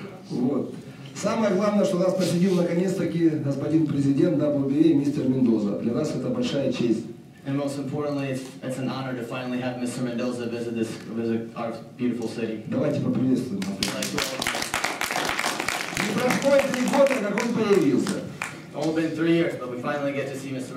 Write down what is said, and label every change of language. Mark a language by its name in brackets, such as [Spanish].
[Russian] Вот. Самое главное, что нас посетил наконец-таки господин президент WBA мистер Мендоза. Для нас это большая честь. [English] And most importantly, it's an honor to finally have Mr. Mendoza visit our beautiful city. [Russian] Давайте поприветствуем. Не прошло и 3 года, как он появился. [English] Only been 3 years, but we finally get to see Mr.